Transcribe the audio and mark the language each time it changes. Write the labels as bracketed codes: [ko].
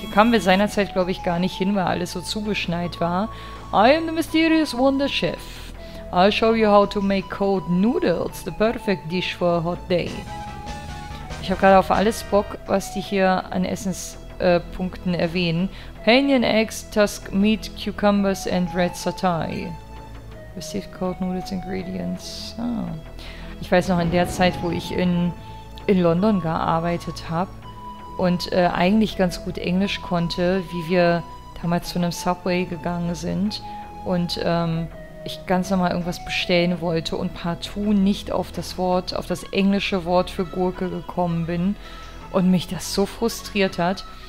[de] Hier kamen wir seinerzeit, glaube ich, gar nicht hin, weil alles so zugeschneit war. [en] I am the mysterious wonder chef. I'll show you how to make cold noodles, the perfect dish for a hot day. [de] Ich habe gerade auf alles Bock, was die hier an Essenspunkten erwähnen. [en] Panion eggs, tusk meat, cucumbers and red satay. Receive cold noodles ingredients. Ah. [de] Ich weiß noch, in der Zeit, wo ich in London gearbeitet habe und eigentlich ganz gut Englisch konnte, wie wir damals zu einem Subway gegangen sind und ich ganz normal irgendwas bestellen wollte und partout nicht auf das Wort, auf das englische Wort für Gurke gekommen bin und mich das so frustriert hat.